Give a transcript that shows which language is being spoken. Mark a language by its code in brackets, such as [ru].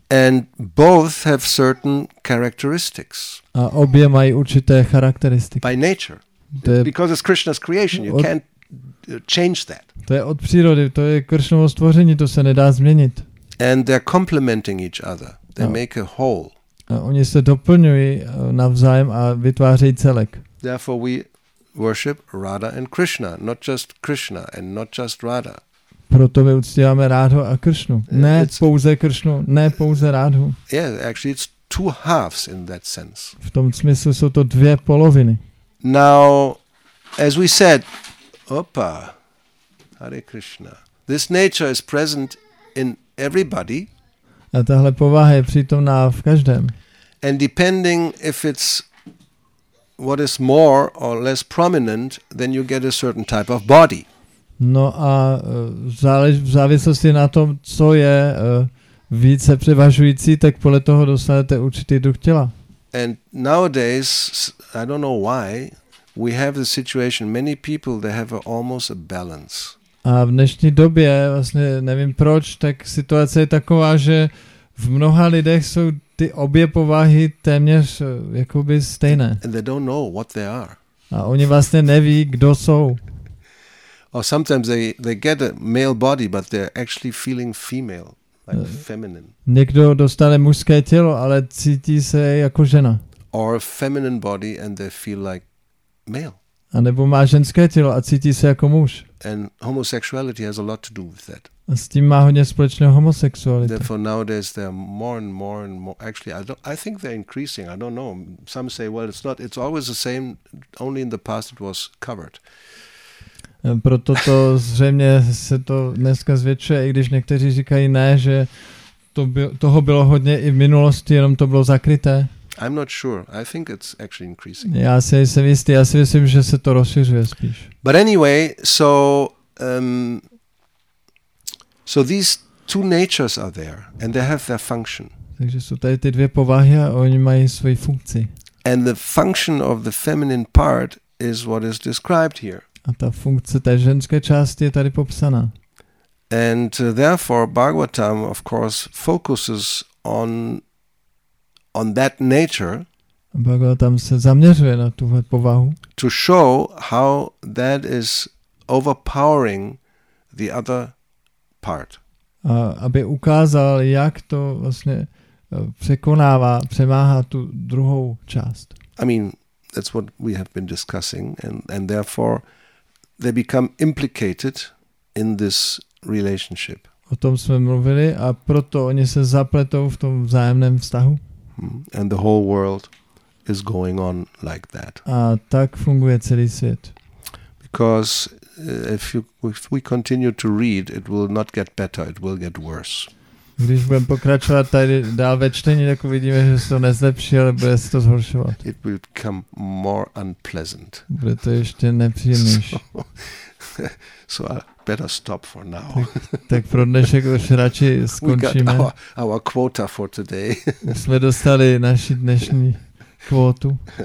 [en] And both have certain characteristics. [cs] A obě mají určité charakteristiky. [en] By nature. Because it's Krishna's creation, you can't change that. [cs] To je od přírody, to je Krishnovo stvoření, to se nedá změnit. [en] And they're complementing each other. They make a whole. [cs] A oni se doplňují navzájem a vytvářejí celek. [en] Therefore we worship Radha and Krishna, not just Krishna and not just Radha. [cs] Proto my uctíváme Radhu a Krishnu. Ne pouze Krishnu, ne pouze Radhu. [en] Yeah, actually it's two halves in that sense. [cs] V tom smyslu jsou to dvě poloviny. [en] Now, as we said, Hare Krishna. This nature is present in everybody. [cs] A tahle povaha je přítomná v každém. [en] And depending if it's what is more or less prominent, then you get a certain type of body. [cs] No a v závislosti na tom, co je více převažující, tak podle toho dostanete určitý druh těla. [en] And nowadays, I don't know why, we have the situation, many people, they have almost a balance. [cs] A v dnešní době, vlastně nevím proč, tak situace je taková, že v mnoha lidech jsou ty obě povahy téměř jakoby stejné. [en] And they don't know what they are. [cs] A oni vlastně neví, kdo jsou. [en] Or sometimes they get a male body, but they're actually feeling female, like feminine. [cs] Někdo dostane mužské tělo, ale cítí se jako žena. [en] Or a feminine body and they feel like male. [cs] A nebo má ženské tělo a cítí se jako muž. [en] And homosexuality has a lot to do with that. [cs] A s tím má hodně společného homosexualita. [en] Therefore nowadays there are more and more and more. Actually, I think they're increasing. I don't know. Some say, well, it's not. It's always the same. Only in the past it was covered. [cs] Proto to zřejmě se to dneska zvětšuje, i když někteří říkají ne, že toho bylo hodně i v minulosti, jenom to bylo zakryté. [en] I'm not sure. I think it's actually increasing. [cs] Já si jsem jistý, já si myslím, že se to rozšiřuje spíš. [en] But anyway, so these two natures are there and they have their function. [cs] Takže jsou tady ty dvě povahy a oni mají svoji funkci. [en] And the function of the feminine part is what is described here. [cs] A ta funkce té ženské části je tady popsaná. [en] And therefore Bhagavatam of course focuses on that nature. [cs] Bhagavatam se zaměřuje na tuhle povahu. [en] To show how that is overpowering the other part. [cs] A aby ukázal, jak to vlastně překonává, přemáhá tu druhou část. [en] I mean, that's what we have been discussing and therefore they become implicated in this relationship. [cs] O tom jsme mluvili a proto oni se zapletou v tom vzájemném vztahu. [en] And the whole world is going on like that. [cs] A tak funguje celý svět. [en] Because if we continue to read, it will not get better, it will get worse. [cs] Když budeme pokračovat tady dál ve čtení, tak uvidíme, že se to nezlepší, ale bude se to zhoršovat. [en] It will become more unpleasant. [cs] Bude to ještě nepříjemnější. [en] So I better stop for now. [cs] Tak pro dnešek už radši skončíme. [en] We got our quota for today. [cs] Jsme dostali naši dnešní kvótu.